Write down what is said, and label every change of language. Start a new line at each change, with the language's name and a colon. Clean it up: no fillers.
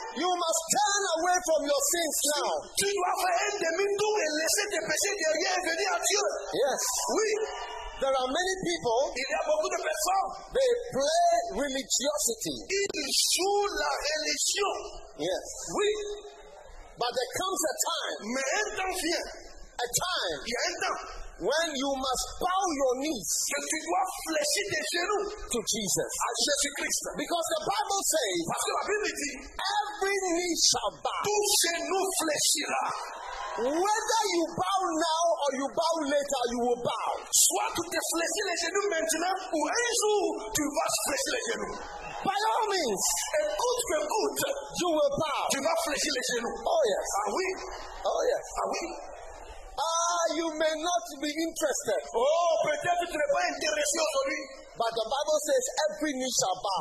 English: You must turn away from your sins now.
French: Tu dois faire un demi-tour et laisser tes péchés derrière et venir à Dieu.
English: Yes.
French: Oui.
English: There are many people,
French: il y a beaucoup de personnes,
English: they play religiosity.
French: Ils jouent la religion.
English: Yes.
French: Oui.
English: But there comes a time.
French: Mais un temps vient.
English: A time.
French: Il y a un temps.
English: When you must bow your knees,
French: que tu dois fléchir tes genoux,
English: to Jesus,
French: à Jésus-Christ.
English: Because the Bible says,
French: parce que la Bible dit,
English: every knee shall bow.
French: Tout genou fléchira.
English: Whether you bow now or you bow later, you will bow.
French: Soit tu te fléchis les genoux maintenant ou un jour tu vas fléchir les genoux.
English: By all means,
French: écoute que good,
English: you will bow.
French: Tu vas fléchir les genoux.
English: Oh yes.
French: Ah oui.
English: Oh yes.
French: Ah oui.
English: You may not be interested.
French: Oh, peut-être tu n'es pas intéressé aujourd'hui.
English: But the Bible says every knee shall bow.